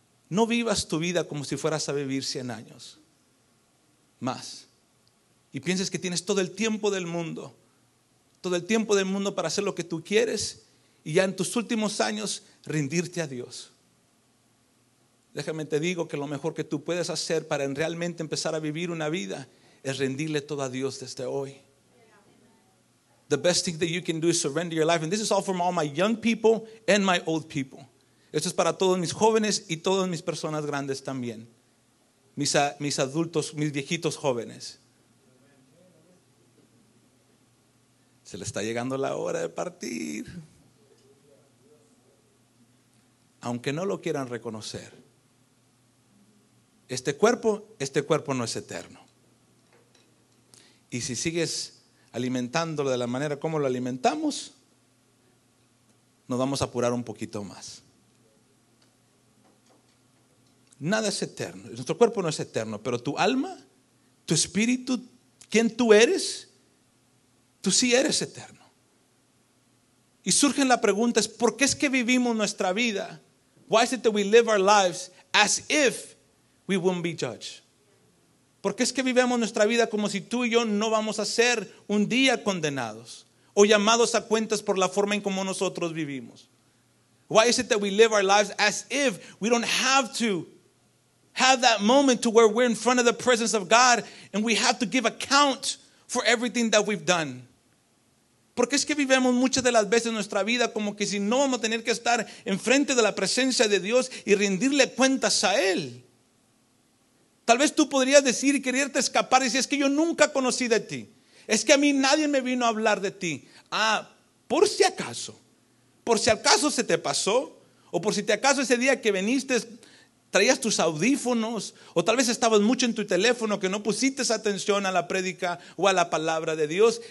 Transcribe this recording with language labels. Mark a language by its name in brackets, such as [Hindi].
[Spanish] No vivas tu vida como si fueras a vivir 100 años más, y pienses que tienes todo el tiempo del mundo, todo el tiempo del mundo para hacer lo que tú quieres y ya en tus últimos años rendirte a Dios. Déjame te digo que lo mejor que tú puedes hacer para realmente empezar a vivir una vida es rendirle todo a Dios desde hoy. [English] The best thing that you can do is surrender your life. And this is all from all my young people and my old people. [Spanish] Esto es para todos mis jóvenes y todas mis personas grandes también. Mis adultos, mis viejitos jóvenes. Se le está llegando la hora de partir. Aunque no lo quieran reconocer, este cuerpo no es eterno. Y si sigues alimentándolo de la manera como lo alimentamos, nos vamos a apurar un poquito más. Nada es eterno. Nuestro cuerpo no es eterno, pero tu alma, tu espíritu, quién tú eres, tú sí eres eterno. Y surge la pregunta, ¿por qué es que vivimos nuestra vida? [English] Why is it that we live our lives as if we won't be judged? [Spanish] ¿Por qué es que vivimos nuestra vida como si tú y yo no vamos a ser un día condenados o llamados a cuentas por la forma en como nosotros vivimos? [English] Why is it that we live our lives as if we don't have to have that moment to where we're in front of the presence of God and we have to give account for everything that we've done? [Spanish] Porque es que vivimos muchas de las veces nuestra vida como que si no vamos a tener que estar enfrente de la presencia de Dios y rendirle cuentas a Él. Tal vez tú podrías decir y quererte escapar y decir, es que yo nunca conocí de ti. Es que a mí nadie me vino a hablar de ti. Ah, por si acaso se te pasó, o por si te acaso ese día que viniste traías tus audífonos, o tal vez estabas mucho en tu teléfono que no pusiste atención a la prédica o a la palabra de Dios.